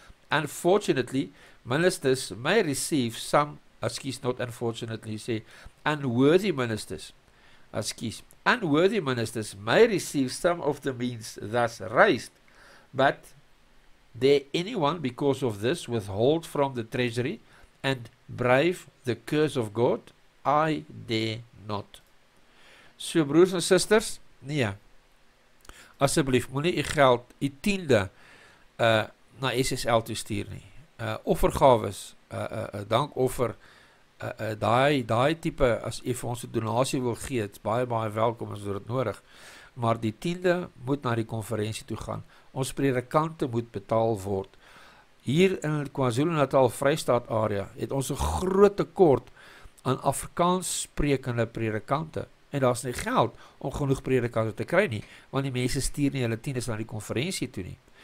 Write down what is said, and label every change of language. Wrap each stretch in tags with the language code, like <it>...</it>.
<en>Unfortunately, ministers may receive some, excuse not unfortunately, say, unworthy ministers, excuse, unworthy ministers may receive some of the means thus raised, but dare anyone because of this withhold from the treasury and brave the curse of God? I dare not.</en> <af>So broers en sisters, nee, asseblief, moet nie jy geld, jy tiende, na SSL te stuur nie. Offergaves, dankoffer, die type, as jy vir ons een donatie wil gee, het baie, baie welkom, as dit nodig. Maar die tiende moet na die konferensie toe gaan. Ons predikante moet betaal word. Hier in KwaZulu-Natal Vrystaat area het ons een groot tekort aan Afrikaans sprekende predikante. En daar is nie geld om genoeg predikante te kry nie, want die mense stuur nie hulle tieners na die konferensie toe nie.</af>